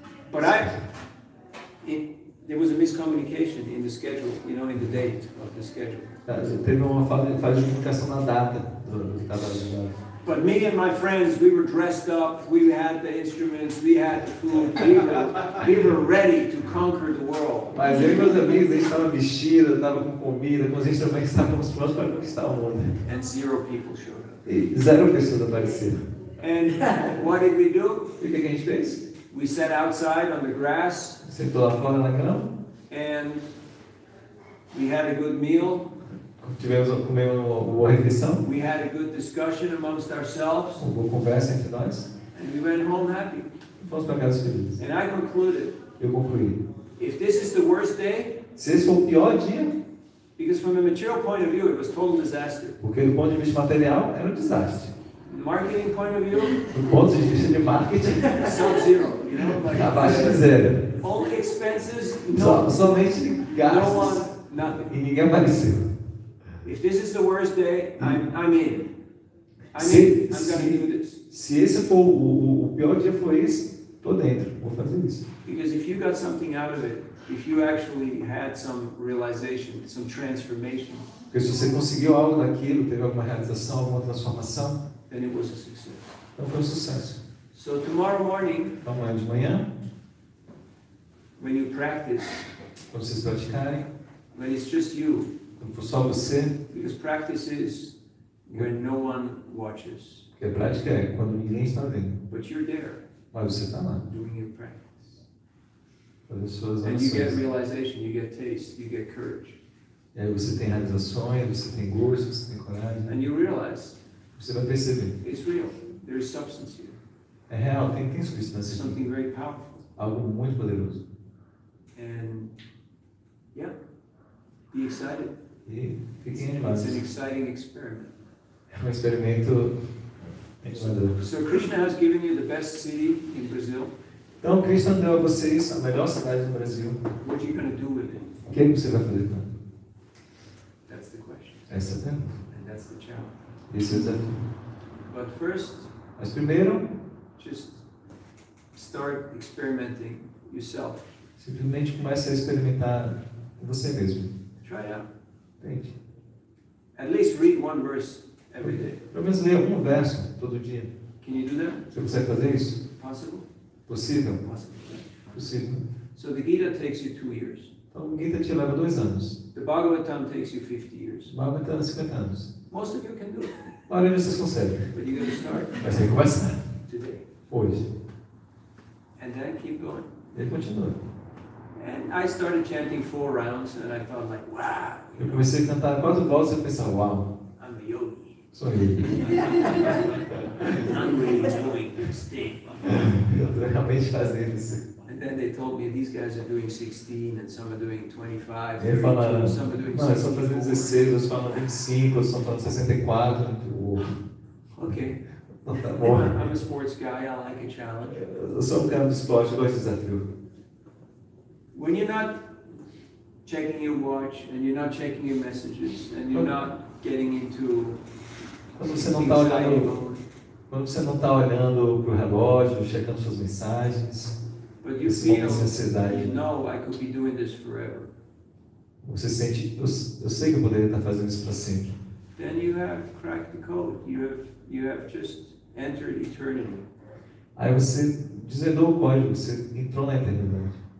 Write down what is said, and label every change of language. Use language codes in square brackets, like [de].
[en] But I, there was a miscommunication in the schedule, you know, in the date of the schedule. [pt] Teve uma falha de comunicação na data do que estava agendado. [en] But me and my friends, we were dressed up, we had the instruments, we had the food, we were ready to conquer the world. [pt] Mas eu e meus amigos, a gente estava vestido, estava com comida, com os instrumentos, estávamos prontos para conquistar o mundo. [en] And zero people showed up. [pt] E zero pessoas apareceram. [en] And what did we do? [pt] E o que a gente fez? [en] We sat outside on the grass. [pt] Sentou lá fora na grama. [en] And we had a good meal. [pt] Tivemos uma boa refeição. [en] We had a good discussion amongst ourselves. [pt] Uma boa conversa entre nós. [en] And we went home happy. [pt] Fomos para casa felizes. [en] And I concluded. [pt] Eu concluí. [en] If this is the worst day. [pt] Se esse foi o pior dia. [en] Because from a material point of view, it was total disaster. [pt] Porque do ponto de vista material, era um desastre. [en] Marketing point of view. [pt] Do ponto de vista de marketing. [en] So zero. [pt] Abaixo de zero. [en] All the expenses. [pt] Somente gastos. [en] No one, nothing. [pt] E ninguém apareceu. [en] If this is the worst day, I'm in. I'm gonna do this. [pt] Se esse for o pior dia foi esse, tô dentro. Vou fazer isso. [en] Because if you got something out of it, if you actually had some realization, some transformation. [pt] Porque se você conseguiu algo daquilo, teve alguma realização, alguma transformação. [en] Then it was a success. [pt] Então foi um sucesso. [en] So tomorrow morning. [pt] Amanhã de manhã. [en] When you practice. [pt] Quando vocês praticarem. [en] When it's just you. [pt] Quando for só você. [en] Because practice is when no one watches. [pt] Porque a prática é quando ninguém está vendo. [en] But you're there. [pt] Mas você está lá. [en] Doing your practice. [pt] Fazer suas ações. [en] And you get realization, you get taste, you get courage. [pt] E aí você tem realizações, você tem gosto, você tem coragem. [en] And you realize. [pt] Você vai perceber. [en] It's real. There is substance here. [pt] É real, tem substância. [en] Something very powerful. [pt] Algo muito poderoso. [en] And yeah. Be excited. [pt] Fiquem animados. [en] It's an exciting experiment. [pt] É um experimento. [en] So Krishna has given you the best city in Brazil. [pt] Então Krishna deu a vocês a melhor cidade do Brasil. [en] What are you going to do with it? [pt] O que você vai fazer com ela? [en] That's the question. [pt] Essa é a pergunta. [en] And that's the challenge. [pt] Esse é o desafio. [en] But first. [pt] Mas primeiro. [en] Just start experimenting yourself. [pt] Simplesmente comece a experimentar com você mesmo. [en] Try it out. [pt] Tente. [en] At least read one verse every day. [pt] Pelo menos leia um verso todo dia. [en] Can you do that? [pt] Você consegue fazer isso? [en] Possible. [pt] Possível. [en] Possible. [pt] Possível. [en] So the Gita takes you 2 years. [pt] Então o Gita te leva 2 anos. [en] The Bhagavatam takes you 50 years. [pt] Bhagavatam 50 anos. [en] Most of you can do it. [pt] A maioria vocês conseguem. [en] But you're going to start. [pt] Mas tem que começar. [en] Today. [pt] Hoje. [en] And then keep going. [pt] E continua. [en] And I started chanting 4 rounds, and I thought like, wow. [pt] Eu comecei a cantar 4 vozes e eu pensei, wow. [en] I'm a yogi. [pt] Sou yogi. [en] I'm really doing this thing. [pt] Eu realmente fazendo isso. [en] And then they told me these guys are doing 16, and some are doing 25. [pt] Eles falaram, [en] some are doing 64. [pt] Não, eu estou fazendo 16, eles falam 25, eles estão falando 64. [en] Okay. [pt] Então, tá bom. [en] I'm a sports guy. I like a challenge. [pt] Eu sou cara do esporte, gosto de desafio. [en] When you're not checking your watch, and you're not checking your messages, and you're not getting into. [pt] Quando você não está olhando, quando você não tá olhando pro relógio, checando suas mensagens, sua necessidade. [en] You know, I could be doing this forever. [pt] Você sente, eu sei que eu poderia estar fazendo isso para sempre. [en] Then you have cracked the code. You have just entered eternity. [pt] Aí você desvendou o código, você entrou na eternidade.